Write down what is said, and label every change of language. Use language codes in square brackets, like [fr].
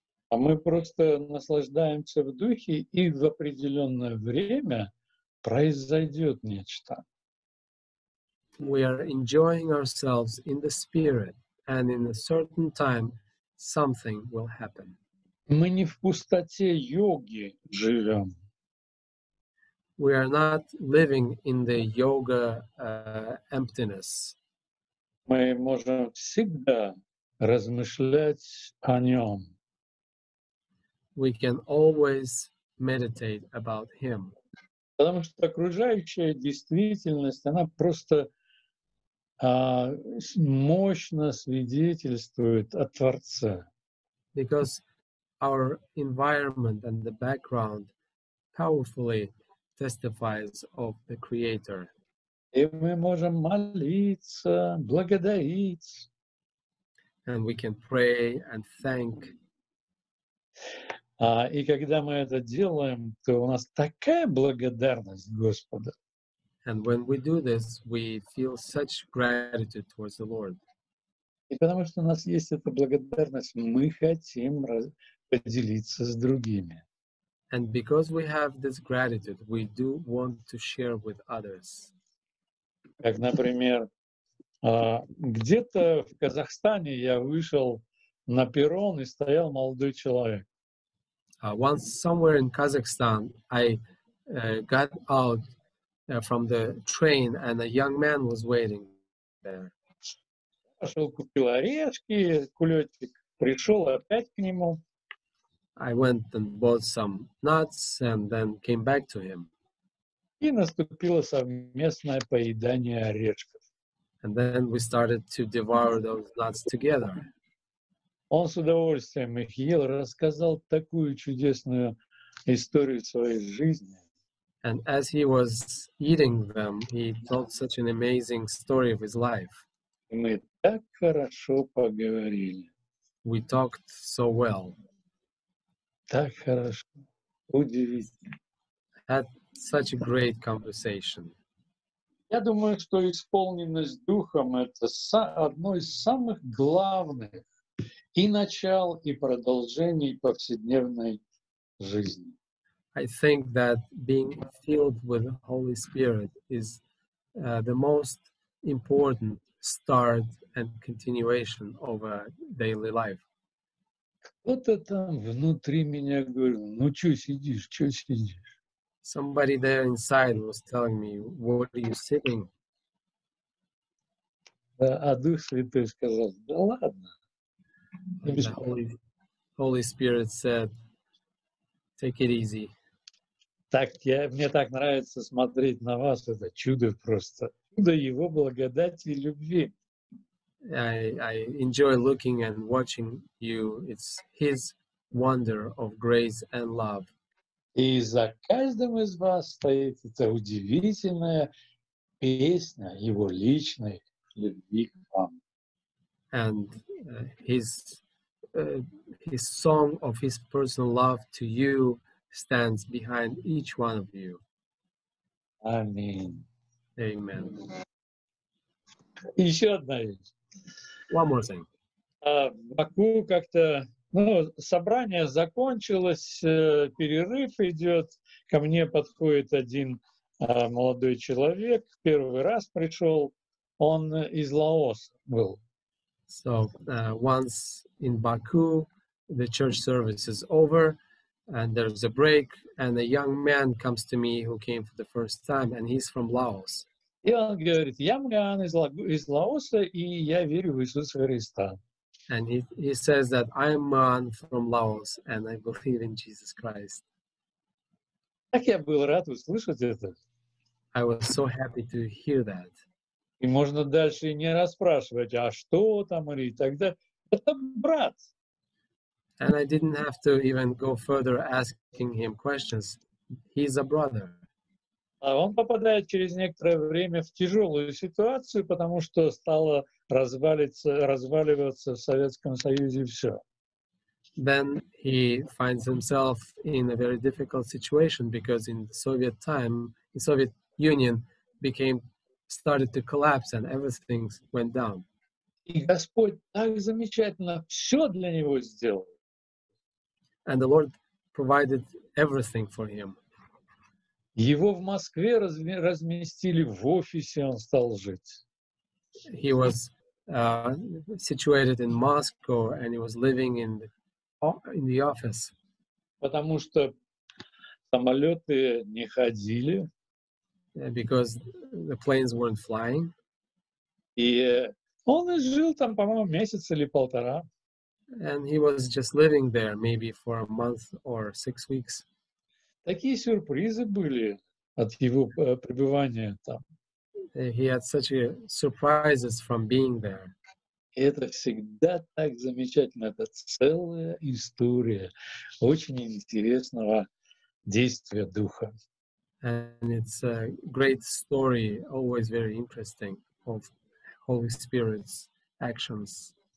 [ru] А мы просто наслаждаемся в духе и в определенное время произойдет нечто. [en] We are enjoying ourselves in the spirit, and in a certain time something will happen. [ru] Мы не в пустоте йоги живем. [en] We are not living in the yoga emptiness. [ru] Мы можем всегда размышлять о нем. [en] We can always meditate about him. [ru] Потому что окружающая действительность, она просто мощно свидетельствует о Творце. [en] Because our environment and the background powerfully testifies of the Creator. [ru] И мы можем молиться, благодарить. [en] And we can pray and thank. [ru] И когда мы это делаем, то у нас такая благодарность Господу. [en] And when we do this, we feel such gratitude towards the Lord. [ru] И потому что у нас есть эта благодарность, мы хотим поделиться с другими. [en] And because we have this gratitude, we do want to share with others. [ru] Как, например, где-то в Казахстане я вышел на перрон и стоял молодой человек. [en] Once somewhere in Kazakhstan, I got out from the train, and a young man was waiting there. [ru] Пошел купил орешки, кулечек, пришел опять к нему. [en] I went and bought some nuts, and then came back to him. [ru] И наступило совместное поедание орешков. [en] And then we started to devour those nuts together. [ru] Он с удовольствием их ел, рассказал такую чудесную историю своей жизни. [en] And as he was eating them, he told such an amazing story of his life. [ru] И мы так хорошо поговорили. [en] We talked so well. [ru] Так хорошо. Удивительно. [en] Had such a great conversation. [ru] Я думаю, что исполненность духом — это одно из самых главных и начал, и продолжение повседневной жизни. [en] I think that being filled with the Holy Spirit is the most important start and continuation of a daily life. [ru] Кто-то там внутри меня говорил, ну чё сидишь, чё сидишь? [en] Somebody there inside was telling me, what are you sitting? [ru] А Дух Святой сказал, да ладно. [en] Holy Spirit said, take it easy. [ru] Так, я, мне так нравится смотреть на вас, это чудо просто. Чудо его благодати и любви. [en] I enjoy looking and watching you. It's his wonder of grace and love. [ru] И за каждым из вас стоит эта удивительная песня его личной любви к вам. [en] And his song of his personal love to you stands behind each one of you. Amen. Amen. [ru] Еще одна вещь. [en] One more thing. [ru] В Баку как-то, ну, собрание закончилось, перерыв идет. Ко мне подходит один молодой человек, первый раз пришел. Он из Лаоса был. [en] So, once in Baku, the church service is over, and there's a break, and a young man comes to me who came for the first time, and he's from Laos. [ru] И он говорит, я Мган из Лаоса, и я верю в Иисуса Христа. [en] And he says that I am Mgan from Laos, and I believe in Jesus Christ. [ru] Как я был рад услышать это. [en] I was so happy to hear that. [ru] И можно дальше не расспрашивать, а что там или тогда. Это брат. [en] And I didn't have to even go further asking him questions. He's a brother. [ru] А он попадает через некоторое время в тяжелую ситуацию, потому что стало разваливаться в Советском Союзе все. [en] Then he finds himself in a very difficult situation because in Soviet time, in Soviet Union became started to collapse and everything went down. [ru] И Господь так замечательно все для него сделал. [en] And the Lord provided everything for him. [ru] Его в Москве разместили в офисе, он стал жить. [en] He was situated in Moscow and he was living in the office. [ru] Потому что самолеты не ходили. [en] Because the planes weren't flying. [ru] И он жил там, по-моему, месяц или полтора. [en] And he was just living there, maybe for a month or 6 weeks. [ru] Такие сюрпризы были от его пребывания там. [en] He had such surprises from being there. [ru] Это всегда так замечательно. Это целая история очень интересного действия Духа. [en] And it's a great story, always very interesting, of Holy Spirit's actions.